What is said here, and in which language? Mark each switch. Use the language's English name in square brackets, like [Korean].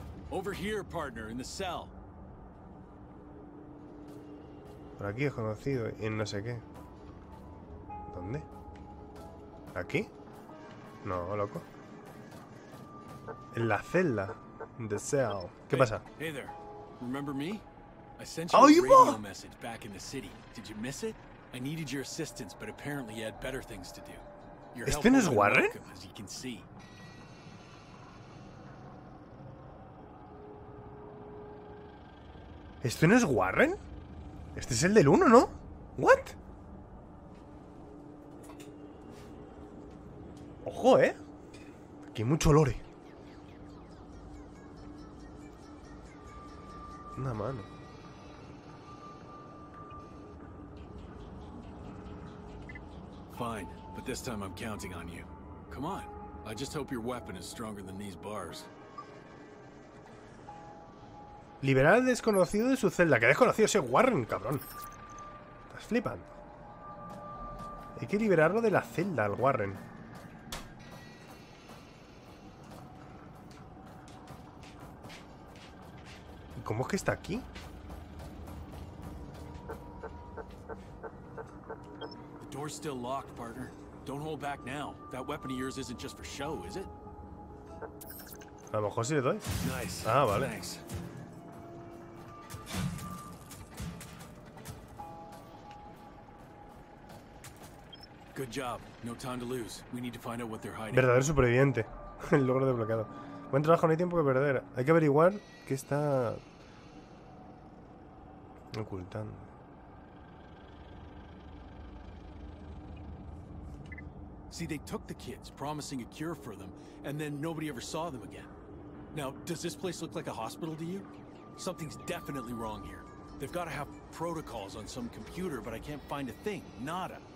[English] Over here, partner, in the cell. [Spanish] Por aquí es conocido, en no sé qué. ¿Dónde? ¿Aquí? No, loco. En la celda. [English] The cell. [Spanish] ¿Qué pasa? [English] Hey there. Remember me? I sent you a radio message back in the city. Did you miss it? I needed your assistance, but apparently you had better things to do. Your help is welcome, as you can see. [Spanish] ¿Este no es Warren? Este es el del 1, ¿no? [English] ¿What? [Spanish] Ojo, aquí hay mucho lore. Una mano. [English] Fine, but this time I'm counting on you. Come on. I just hope your weapon is stronger than these bars. [Spanish] Liberar al desconocido de su celda. Que desconocido ese Warren, cabrón. Estás flipando. Hay que liberarlo de la celda al Warren. ¿Y cómo es que está aquí? [English] The door's still locked, partner. Don't hold back now. That weapon of yours isn't just for show, is it? [Spanish] A lo mejor sí le doy. [English] Nice. [Spanish] Ah, vale. [English] Thanks. Good job. No time to lose. We need to find out what they're hiding. [Spanish] Verdadero superviviente. El logro desbloqueado. Buen trabajo, no hay tiempo que perder. Hay que averiguar qué está ocultando. [English] See, they took the kids, promising a cure for them, and then nobody ever saw them again. Now, does this place look like a hospital to you? Something's definitely wrong here. They've got to have protocols on some computer, but I can't find a thing. [Spanish] Nada.